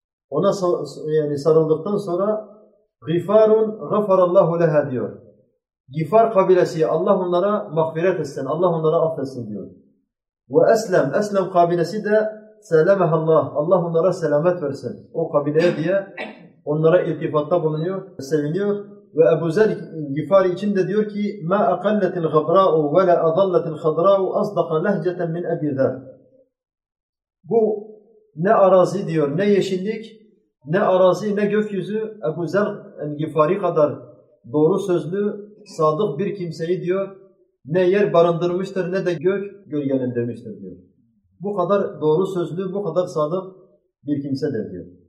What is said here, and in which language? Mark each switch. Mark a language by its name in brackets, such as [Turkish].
[Turkish] Ona sarıldıktan sonra Gifarun [Arabic] gafarallahu leha [Turkish] diyor. Gifar kabilesi Allah onlara mağfiret etsin, Allah onlara affetsin diyor. Ve Eslem, Eslem kabilesi de selamehallah, Allah onlara selamet versin o kabileye diye onlara iltifatta bulunuyor, seviniyor. Ve Ebu Zer Gifari için de diyor ki [Arabic] مَا أَقَلَّتِ الْغَبْرَاءُ وَلَا أَضَلَّتِ الْخَضْرَاءُ أَصْدَقَ لَهْجَةً مِنْ أَبِي ذَا. [Turkish] Bu ne arazi diyor, ne yeşillik, ne arazi, ne gökyüzü Ebu Zer Gifari kadar doğru sözlü, sadık bir kimseyi diyor, ne yer barındırmıştır ne de gök gölgelendirmiştir diyor. Bu kadar doğru sözlü, bu kadar sadık bir kimsedir diyor.